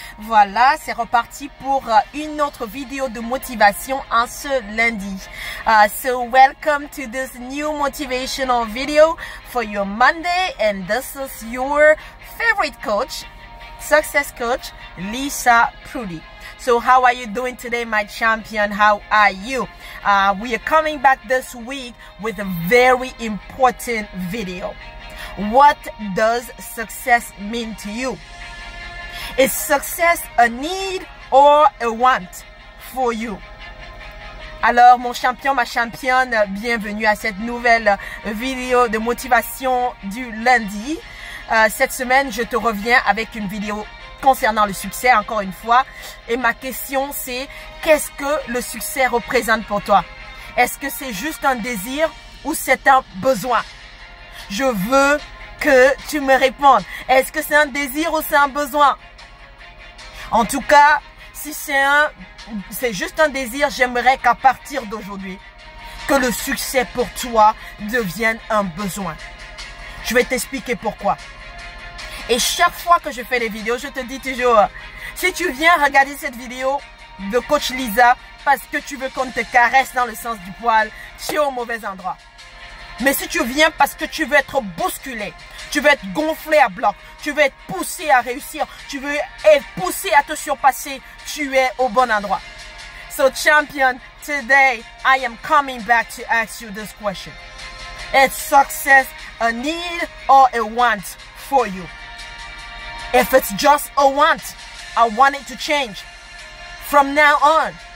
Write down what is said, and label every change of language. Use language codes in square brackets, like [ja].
[fr] Voilà, c'est reparti pour une autre vidéo de motivation en ce lundi. [en] Welcome to this new motivational video for your Monday, and this is your favorite coach, success coach Lisa Prudy. So how are you doing today, my champion? How are you? We are coming back this week with a very important video. What does success mean to you? Is success a need or a want for you? [fr] Alors, mon champion, ma championne, bienvenue à cette nouvelle vidéo de motivation du lundi. Cette semaine, je te reviens avec une vidéo concernant le succès, encore une fois. Et ma question, c'est qu'est-ce que le succès représente pour toi? Est-ce que c'est juste un désir ou c'est un besoin? Je veux que tu me répondes. Est-ce que c'est un désir ou c'est un besoin? En tout cas, si c'est juste un désir, j'aimerais qu'à partir d'aujourd'hui, que le succès pour toi devienne un besoin. Je vais t'expliquer pourquoi. Et chaque fois que je fais des vidéos, je te dis toujours, si tu viens regarder cette vidéo de Coach Lisa parce que tu veux qu'on te caresse dans le sens du poil, tu es au mauvais endroit. Mais si tu viens parce que tu veux être bousculé, tu veux être gonflé à bloc, tu veux être poussé à réussir, tu veux être poussé à te surpasser, tu es au bon endroit. [en] So champion, today I am coming back to ask you this question. Is success a need or a want for you? If it's just a want, I want it to change from now on.